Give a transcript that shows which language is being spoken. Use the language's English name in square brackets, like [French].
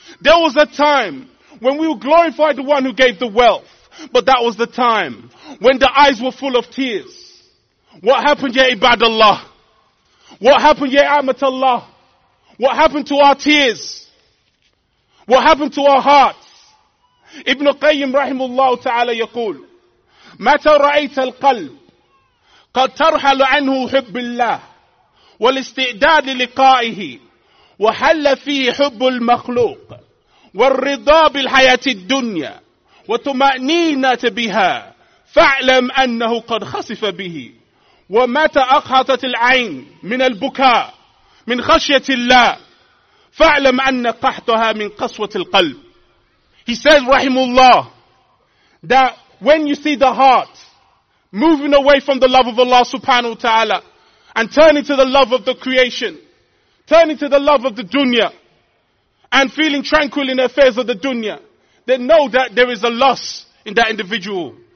[English] There was a time when we will glorify the one who gave the wealth. But that was the time when the eyes were full of tears. What happened, ya ibadallah? What happened, ya amatallah? What happened to our tears? What happened to our hearts? [Arabic] Ibn Qayyim rahimullah ta'ala yaqul, متى رأيت القلب قد ترحل عنه حب الله والاستعداد للقائه وحل فيه حب المخلوق والرضا بالحياة الدنيا وطمأنينة بها فاعلم أنه قد خسف به ومتى أقهطت العين من البكاء من خشية الله فاعلم أن قحطها من قسوة القلب. [English] He says, Rahimullah, that when you see the heart moving away from the love of Allah subhanahu wa ta'ala and turning to the love of the creation, turning to the love of the dunya and feeling tranquil in the affairs of the dunya, then know that there is a loss in that individual.